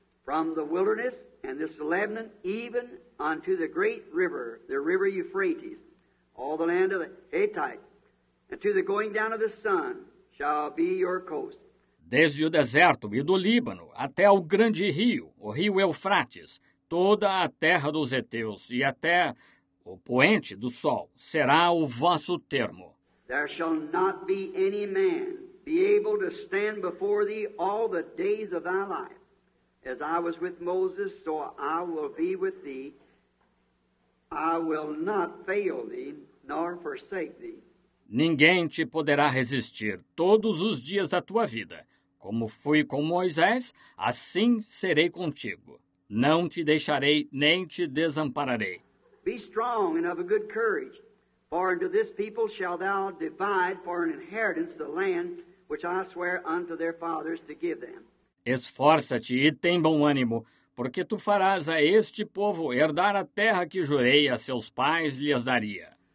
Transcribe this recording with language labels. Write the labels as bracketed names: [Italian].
[English] From the wilderness and this Lebanon, even unto the great river, the river Euphrates, all the land of the Hittites, and to the going down of the sun shall be your coast. [Portuguese] Desde o deserto e do Líbano até o grande rio, o rio Eufrates, toda a terra dos Eteus e até o poente do sol será o vosso termo. [English] There shall not be any man be able to stand before thee all the days of thy life. As I was with Moses, so I will be with thee. I will not fail thee, nor forsake thee. [Portuguese] Ninguém te poderá resistir todos os dias da tua vida. Como fui com Moisés, assim serei contigo. Não te deixarei nem te desampararei. [English] Be strong and of a good courage. For unto this people shall thou divide for an inheritance the land which I swear unto their fathers to give them. [Portuguese] Esforça-te e tem bom ânimo, porque tu farás a este povo herdar a terra que jurei a seus pais lhes daria.